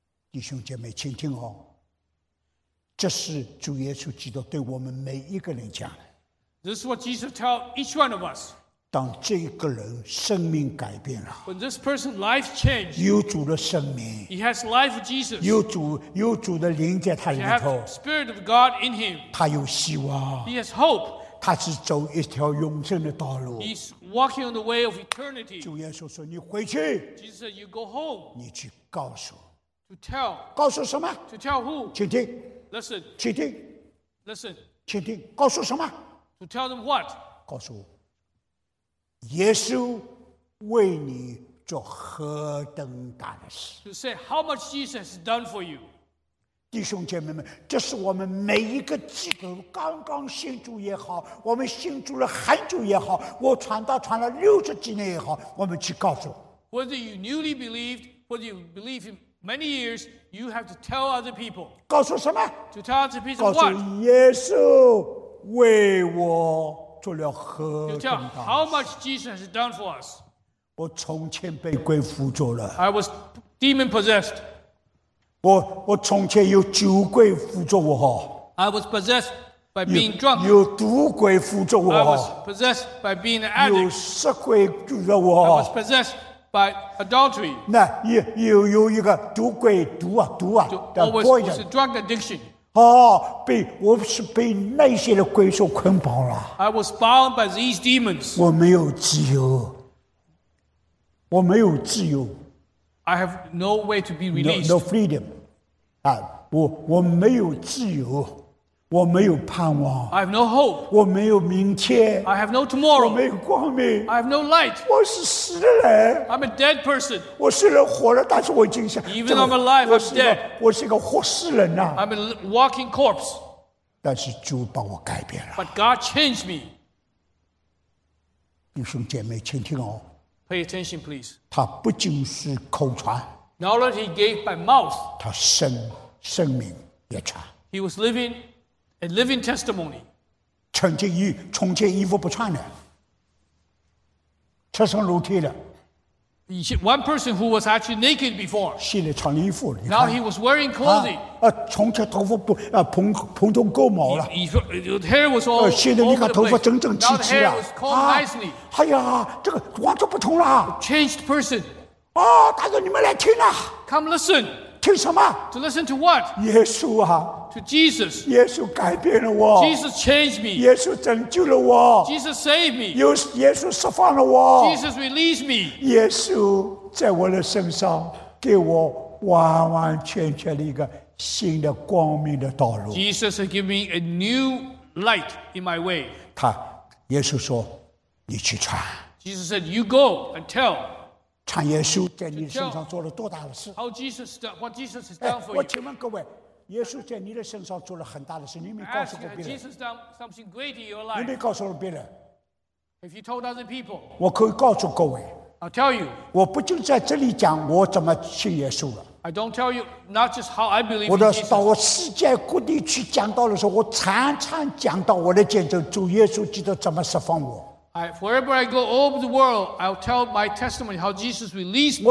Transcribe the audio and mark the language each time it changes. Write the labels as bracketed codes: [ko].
[zh] 弟兄姐妹，请听哦，这是主耶稣基督对我们每一个人讲的。This [en] is what Jesus tells each one of us. [zh] 当这个人生命改变了， [en] When this person's life changed, [zh] 有主的生命， [en] He has life with Jesus. [zh] 有主的灵在他里头， [en] He has Spirit of God in him. [zh] 他有希望， [en] He has hope. [zh] 他是走一条永生的道路。 [en] He's walking on the way of eternity. [zh] 主耶稣说，你回去。 [en] Jesus said, you go home. [zh] 你去告诉。 [en] To tell. [zh] 告诉什么? [en] To tell who? [zh] 请听。 [en] Listen. [zh] 请听。 [en] Listen. [zh] 请听。告诉什么? [en] To tell them what? [zh] 告诉耶稣为你做何等大的事。 [en] To say how much Jesus has done for you. [zh] 弟兄姐妹们，这是我们每一个基督徒刚刚信主也好，我们信主了很久也好，我传道传了六十几年也好，我们去告诉。 [en] Whether you newly believed, whether you believe in many years, you have to tell other people. [zh] 告诉什么？ [en] To tell other people what? [zh] 告诉耶稣为我做了何等大事。 [en] You tell how much Jesus has done for us. [zh] 我从前被鬼附着了。 [en] I was demon possessed. [zh] 我从前有酒鬼附着我哈。 [en] I was possessed by being drunk. [zh] 有毒鬼附着我哈。 [en] I was possessed by being an addict. [zh] 有色鬼附着我 [en] 哈。I was possessed by adultery. [zh] 那有一个毒鬼毒啊的过瘾。 [en] Was a drug addiction. [zh] 哦，我是被那些的鬼所捆绑了。 [en] I was bound by these demons. [zh] 我没有自由，我没有自由。 [en] I have no way to be released. No freedom. [zh] 啊，我没有自由，我没有盼望。 [en] I have no hope. [zh] 我没有明天。 [en] I have no tomorrow. [zh] 我没有光明。 [en] I have no light. [zh] 我是死的人。 [en] I'm a dead person. [zh] 我虽然活了，但是我已经死。 [en] Even I'm alive, I'm dead. [zh] 我是一个活死人呐。 [en] I'm a walking corpse. [zh] 但是主把我改变了。 [en] But God changed me. [zh] 弟兄姐妹，请听哦。 [en] Pay attention, please. [zh] 他不仅是口传 [en] ，knowledge he gave by mouth. [zh] 他生命也传。 [en] He was living a living testimony. [zh] 从前衣服不穿的，赤身裸体的。 [en] One person who was actually naked before. [zh] 现在穿了衣服。 [en] Now he was wearing clothing. [zh] 从前头发不蓬头垢毛了。 [en] His hair was all. [zh] 现在你看头发整整齐齐了。 [en] Now the hair was combed nicely. [zh] 哎呀，这个完全不同了。 [en] Changed person. [zh] 哦，大哥，你们来听啊。 [en] Come listen. [zh] 听什么 [en] ？To listen to what? [zh] 耶稣啊。 [en] To Jesus. [zh] 耶稣改变了我。 [en] Jesus changed me. [zh] 耶稣拯救了我。 [en] Jesus saved me. [zh] 耶稣释放了我。 [en] Jesus released me. [zh] 耶稣在我的身上给我完完全全的一个新的光明的道路。 [en] Jesus has given me a new light in my way. [zh] 耶稣说，你去传。 [en] Jesus said, you go and tell. [zh] 传耶稣在你身上做了多大的事 [en] ？How Jesus done? What Jesus has done for you? [zh] 我请问各位，耶稣在你的身上做了很大的事，你没告诉过别人 [en] ？Jesus done something great in your life? [zh] 你没告诉过别人 [en] ？If you told other people, [zh] 我可以告诉各位 [en] ，I'll tell you. [zh] 我不就在这里讲我怎么信耶稣了 [en] ？I don't tell you not just how I believe. [zh] 我的到我世界各地去讲道的时候，我常常讲到我的见证，主耶稣基督怎么释放我。 [en] Wherever I go all over the world, I'll tell my testimony how Jesus released me.